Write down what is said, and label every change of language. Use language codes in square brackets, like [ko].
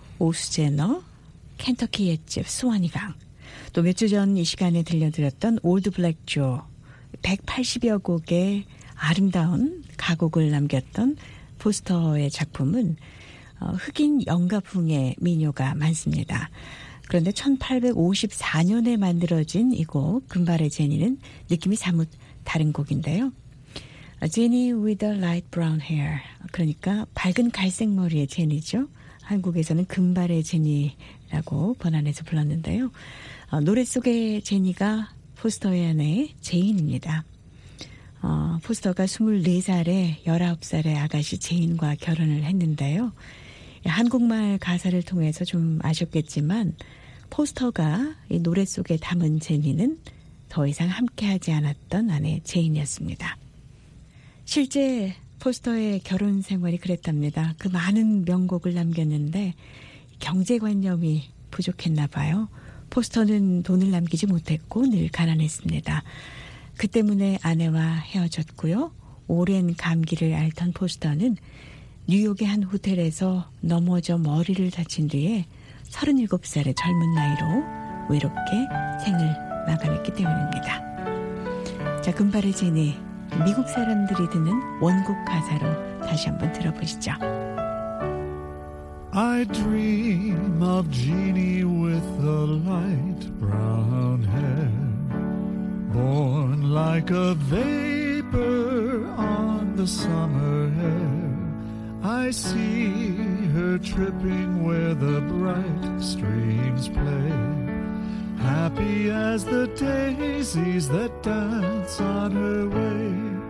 [ko] 오스제너, 켄터키 옛집, 스와니강, 또 몇 주 전 이 시간에 들려드렸던 올드 블랙 조, 180여 곡의 아름다운 가곡을 남겼던 포스터의 작품은 흑인 영가풍의 민요가 많습니다. 그런데 1854년에 만들어진 이 곡 금발의 제니는 느낌이 사뭇 다른 곡인데요. [en] Jenny with a light brown hair, [ko] 그러니까 밝은 갈색 머리의 제니죠. 한국에서는 금발의 제니라고 번안해서 불렀는데요. 노래 속의 제니가 포스터의 아내의 제인입니다. 포스터가 24살에 19살의 아가씨 제인과 결혼을 했는데요. 한국말 가사를 통해서 좀 아쉽겠지만 포스터가 이 노래 속에 담은 제니는 더 이상 함께하지 않았던 아내 제인이었습니다. 실제 포스터의 결혼 생활이 그랬답니다. 그 많은 명곡을 남겼는데 경제관념이 부족했나 봐요. 포스터는 돈을 남기지 못했고 늘 가난했습니다. 그 때문에 아내와 헤어졌고요. 오랜 감기를 앓던 포스터는 뉴욕의 한 호텔에서 넘어져 머리를 다친 뒤에 37살의 젊은 나이로 외롭게 생을 마감했기 때문입니다. 자, 금발의 제니, 미국 사람들이 듣는 원곡 가사로 다시 한번 들어보시죠. [en] I dream of Jeannie with the light brown hair, born like a vapor on the summer air. I see her tripping where the bright streams play, happy as the daisies that dance on her way.